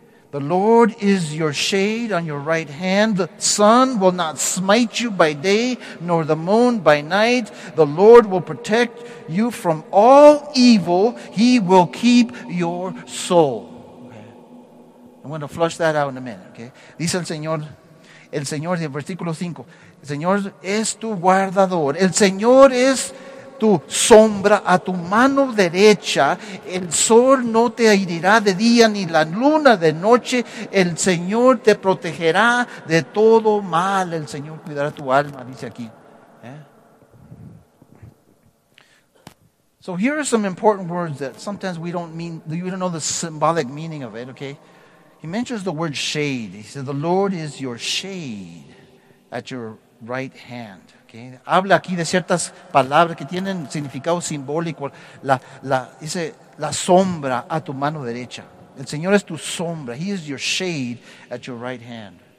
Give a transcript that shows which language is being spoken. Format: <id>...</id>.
<en>The Lord is your shade on your right hand. The sun will not smite you by day, nor the moon by night. The Lord will protect you from all evil. He will keep your soul. Okay. I'm going to flush that out in a minute. Okay?</en> <es>Dice el Señor, en versículo 5, el Señor es tu guardador. El Señor es tu sombra a tu mano derecha. El sol no te herirá de día ni la luna de noche. El Señor te protegerá de todo mal. El Señor cuidará tu alma, dice aquí.</es> <en>So here are some important words that sometimes we don't mean, you don't know the symbolic meaning of it, okay? He mentions the word shade. He said, the Lord is your shade at your right hand. Okay.</en> <es>Habla aquí de ciertas palabras que tienen significado simbólico. Dice, la sombra a tu mano derecha. El Señor es tu sombra.</es> <en>He is your shade at your right hand.</en>